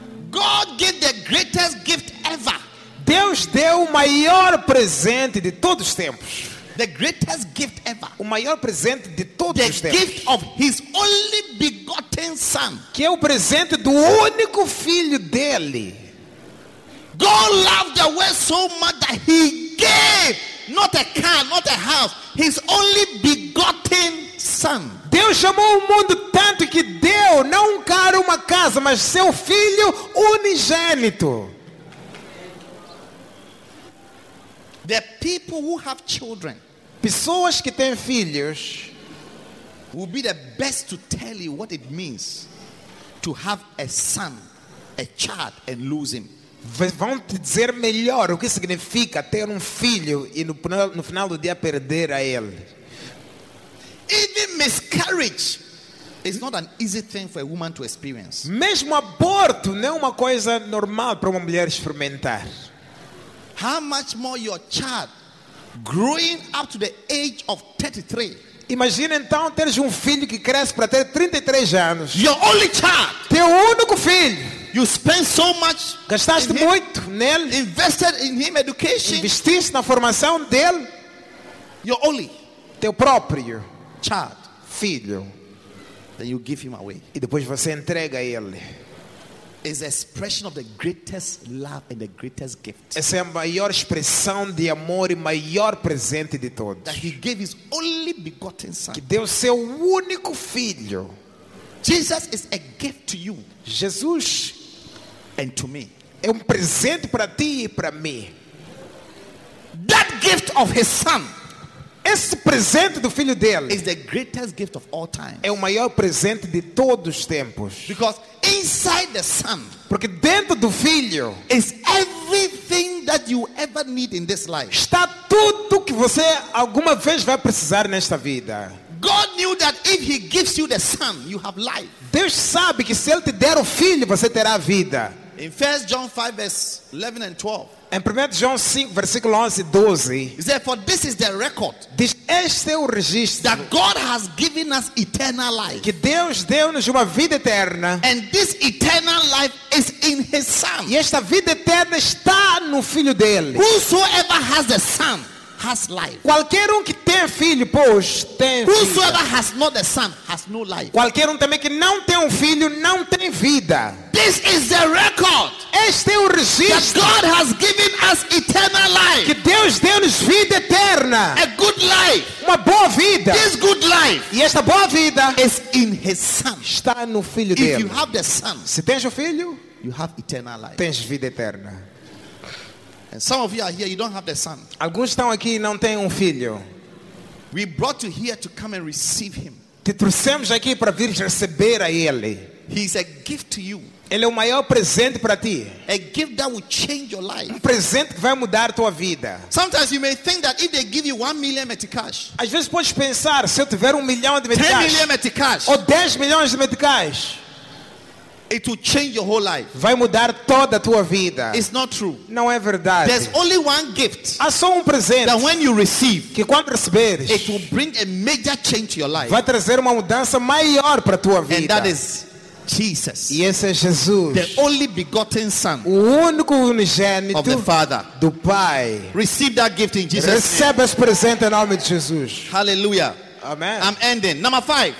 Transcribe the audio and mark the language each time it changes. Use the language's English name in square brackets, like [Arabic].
[English] God gave the greatest gift ever. [Portuguese] Deus deu o maior presente de todos os tempos. [English] The greatest gift ever. [Portuguese] O maior presente de todos [English] the [Portuguese] os tempos. [English] The gift of his only begotten son. [Portuguese] Que é o presente do único filho dele. [English] God loved the world so much that he gave not a car, not a house, his only begotten son. [Portuguese] Deus amou o mundo tanto que deu não um carro, uma casa, mas seu filho unigênito. [English] The people who have children, [Portuguese] pessoas que têm filhos, [English] will be the best to tell you what it means to have a son, a child, and lose him. [Portuguese] Vão te dizer melhor o que significa ter filho e no final do dia perder a ele. [English] Even miscarriage is not an easy thing for a woman to experience. [Portuguese] Mesmo aborto não é uma coisa normal para uma mulher experimentar. [English] How much more your child growing up to the age of 33. [Portuguese] Imagina então teres filho que cresce para ter 33 anos. [English] Your only child. [Portuguese] Teu único filho. [English] You spend so much. [Portuguese] Gastaste muito nele. [English] Invested in him education. [Portuguese] Investiste na formação dele. [English] Your only. [Portuguese] Teu próprio [English] child. [Portuguese] Filho. [English] Then you give him away. [Portuguese] E depois você entrega ele. [English] Is the expression of the greatest love and the greatest gift. [Portuguese] Essa é a maior expressão de amor e maior presente de todos. [English] That he gave his only begotten son. [Portuguese] Que deu seu único filho. [English] Jesus is a gift to you. [Portuguese] Jesus [English] and to me. [Portuguese] É presente para ti e para mim. [English] That gift of his son. [Portuguese] Esse presente do filho dele [English] is the greatest gift of all time. [Portuguese] É o maior presente de todos os tempos. [English] Because inside the son, [Portuguese] porque dentro do filho [English] is everything that you ever need in this life. [Portuguese] Está tudo que você alguma vez vai precisar nesta vida. [English] God knew that if he gives you the son, you have life. [Portuguese] Deus sabe que se ele te der o filho, você terá vida. [English] In 1 John 5 verse 11 and 12. [Portuguese] Em 1 João 5, versículo 11 e 12, [English] he said, for this is the record, [Portuguese] diz, este é o registro, [English] that God has given us eternal life, [Portuguese] que Deus deu-nos uma vida eterna, [English] and this eternal life is in his son, [Portuguese] e esta vida eterna está no filho dele. [English] Whosoever has the son has life. [Portuguese] Qualquer que tem filho, pois, tem [English] whosoever [Portuguese] vida. [English] Has not the son has no life. [Portuguese] Qualquer também que não tem filho não tem vida. [English] This is the record. [Portuguese] Este é o registro. [English] That God has given us eternal life. [Portuguese] Que Deus deu-nos vida eterna. [English] A good life. [Portuguese] Uma boa vida. [English] This good life. [Portuguese] E esta boa vida [English] is in his son. [Portuguese] Está no filho [English] if [Portuguese] dele. [English] If you have the son, [Portuguese] se tens o filho, [English] you have eternal life. [Portuguese] Tens vida eterna. [English] And some of you are here, you don't have the son. [Portuguese] Alguns estão aqui e não têm filho. [English] We brought you here to come and receive him. [Portuguese] Te trouxemos aqui para vir receber a ele. [English] He is a gift to you. [Portuguese] Ele é o maior presente para ti. [English] A gift that will change your life. [Portuguese] Presente que vai mudar a tua vida. [English] Sometimes you may think that if they give you 1 million meticais, [Portuguese] às vezes podes pensar, se eu tiver 1 milhão de meticais, [English] 10 million meticais, [Portuguese] ou 10 milhões de meticais, [English] it will change your whole life. [Portuguese] Vai mudar toda a tua vida. [English] It's not true. [Portuguese] Não é verdade. [English] There's only one gift. [Portuguese] Há só presente. [English] That when you receive, [Portuguese] que quando receberes, [English] it will bring a major change to your life. [Portuguese] Vai trazer uma mudança maior para tua vida. [English] And that is Jesus. [Portuguese] E esse é Jesus. [English] The only begotten son. [Portuguese] O único unigênito [English] of the Father. [Portuguese] Do Pai. [English] Receive that gift in Jesus. [Portuguese] Recebe esse presente em nome de Jesus. [English] Hallelujah. [Portuguese] Amen. [English] I'm ending. Number 5.